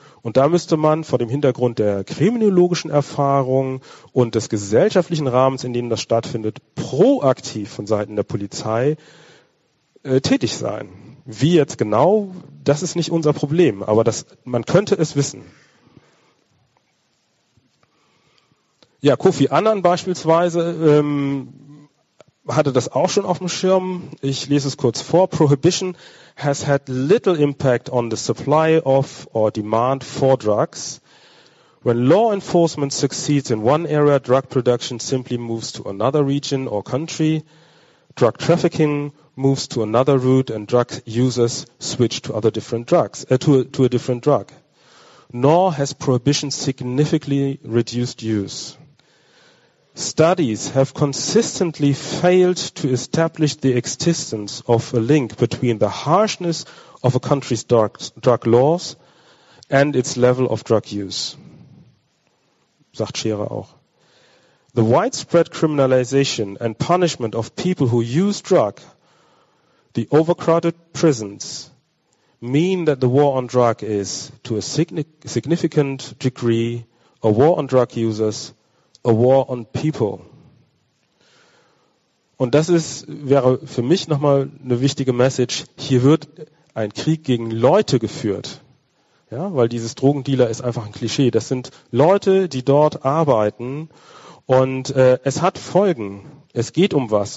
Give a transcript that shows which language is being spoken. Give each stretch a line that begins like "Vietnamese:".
German: Und da müsste man vor dem Hintergrund der kriminologischen Erfahrung und des gesellschaftlichen Rahmens, in dem das stattfindet, proaktiv von Seiten der Polizei tätig sein. Wie jetzt genau, das ist nicht unser Problem, aber man könnte es wissen. Ja, Kofi Annan beispielsweise hatte das auch schon auf dem Schirm. Ich lese es kurz vor.
English: Prohibition has had little impact on the supply of or demand for drugs. When law enforcement succeeds in one area, drug production simply moves to another region or country. Drug trafficking moves to another route and drug users switch to other different drugs, to a different drug. Nor has prohibition significantly reduced use. Studies have consistently failed to establish the existence of a link between the harshness of a country's drug laws and its level of drug use,
German: sagt Scherer auch.
English: The widespread criminalization and punishment of people who use drug, the overcrowded prisons, mean that the war on drug is, to a significant degree, a war on drug users, a war on people.
German: Und das wäre für mich nochmal eine wichtige Message. Hier wird ein Krieg gegen Leute geführt. Ja, weil dieses Drogendealer ist einfach ein Klischee. Das sind Leute, die dort arbeiten. Und es hat Folgen. Es geht um was.